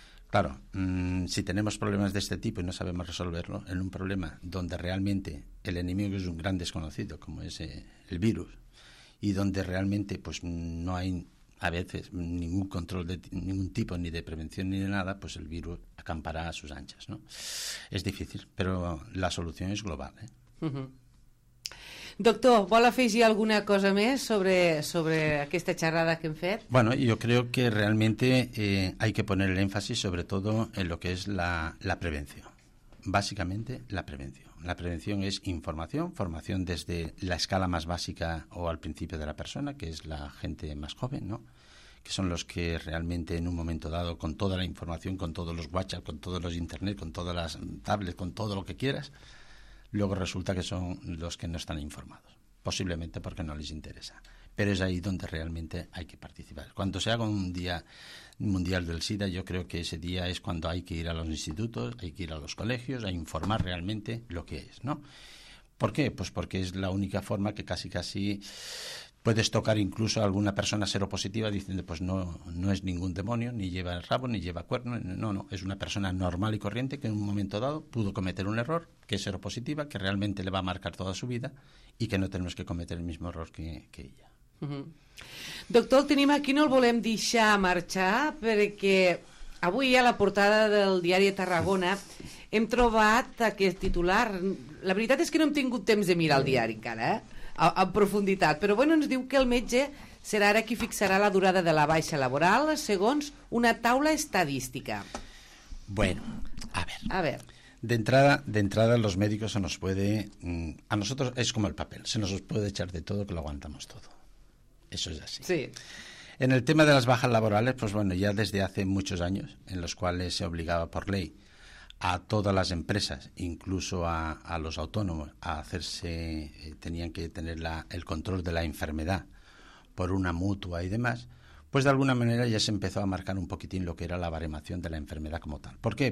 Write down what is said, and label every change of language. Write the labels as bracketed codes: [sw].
[es] Claro, si tenemos problemas de este tipo y no sabemos resolverlo, en un problema donde realmente el enemigo es un gran desconocido, como es el virus, y donde realmente pues no hay a veces ningún control de ningún tipo, ni de prevención ni de nada, pues el virus acampará a sus anchas, ¿no? Es difícil, pero la solución es global, ¿eh? [ca] Doctor, ¿vol afegir alguna cosa més sobre aquesta xerrada que hem fet? [es] Bueno, yo creo que realmente hay que poner el énfasis sobre todo en lo que es la prevención. Básicamente, la prevención. La prevención es información, formación desde la escala más básica o al principio de la persona, que es la gente más joven, ¿no? Que son los que realmente en un momento dado, con toda la información, con todos los WhatsApp, con todos los internet, con todas las tablets, con todo lo que quieras, luego resulta que son los que no están informados, posiblemente porque no les interesa. Pero es ahí donde realmente hay que participar. Cuando se haga un día mundial del SIDA, yo creo que ese día es cuando hay que ir a los institutos, hay que ir a los colegios, a informar realmente lo que es, ¿no? ¿Por qué? Pues porque es la única forma que casi puedes tocar incluso a alguna persona seropositiva diciendo, pues no es ningún demonio, ni lleva el rabo, ni lleva cuerno, no, es una persona normal y corriente que en un momento dado pudo cometer un error, que es seropositiva, que realmente le va a marcar toda su vida y que no tenemos que cometer el mismo error que ella. [ca] Doctor, tenim aquí, no el volem deixar marxar, perquè avui a la portada del diari Tarragona hem trobat aquest titular. La veritat és que no hem tingut temps de mirar el diari encara, en profunditat, però bueno, ens diu que el metge serà ara qui fixarà la durada de la baixa laboral segons una taula estadística. [es] Bueno, a ver. De entrada, los médicos se nos puede, a nosotros es como el papel, se nos puede echar de todo, que lo aguantamos todo. Eso es así. Sí. En el tema de las bajas laborales, pues bueno, ya desde hace muchos años, en los cuales se obligaba por ley a todas las empresas, incluso a los autónomos, a hacerse, tenían que tener el control de la enfermedad por una mutua y demás, pues de alguna manera ya se empezó a marcar un poquitín lo que era la baremación de la enfermedad como tal. ¿Por qué?